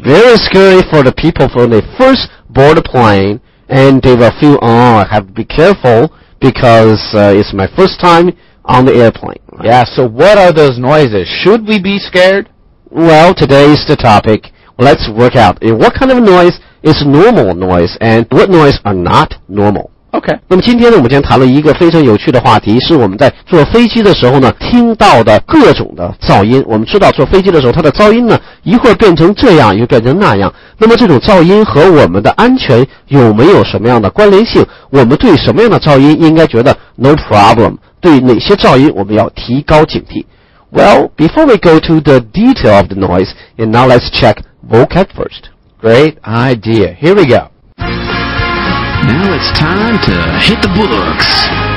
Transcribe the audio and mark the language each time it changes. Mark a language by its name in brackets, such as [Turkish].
[English] Very scary for the people when they first board a plane, and they will feel, oh, I have to be careful because it's my first time on the airplane. Right? Yeah, so what are those noises? Should we be scared? Well, today's the topic. Let's work out what kind of noise is normal noise and what noise are not normal. Okay. [Chinese] 那么今天呢，我们将谈论一个非常有趣的话题，是我们在坐飞机的时候呢，听到的各种的噪音。我们知道坐飞机的时候，它的噪音呢，一会儿变成这样，又变成那样。那么这种噪音和我们的安全有没有什么样的关联性？我们对什么样的噪音应该觉得 [English] no problem？ [Chinese] 对哪些噪音我们要提高警惕？ [English] Well, before we go to the detail of the noise, and now let's check vocab first. Great idea. Here we go. Now it's time to hit the books.